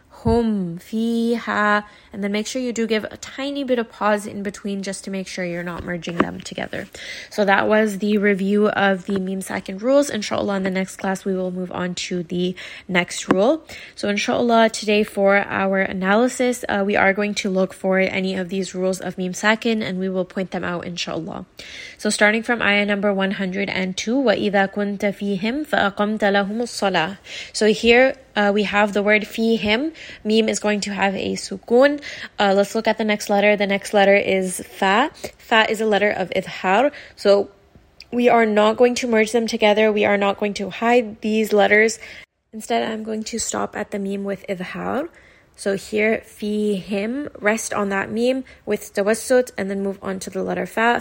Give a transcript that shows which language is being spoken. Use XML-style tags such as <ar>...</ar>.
<en>Hum fiha. And then make sure you do give a tiny bit of pause in between just to make sure you're not merging them together. So that was the review of the meme sakin rules. Inshallah, in the next class, we will move on to the next rule. So inshallah, today for our analysis, we are going to look for any of these rules of meme sakin, and we will point them out inshallah. So starting from ayah number 102,</en> <ar>وَإِذَا كُنْتَ فِيهِمْ فَأَقَمْتَ لَهُمُ الصَّلَاةِ.</ar> <en>So here, we have the word fi him. Meme is going to have a sukun. Let's look at the next letter. The next letter is fa. Fa is a letter of idhar. So we are not going to merge them together. We are not going to hide these letters. Instead, I'm going to stop at the meme with idhar. So here, fi him, rest on that meme with tawassut and then move on to the letter fa.</en>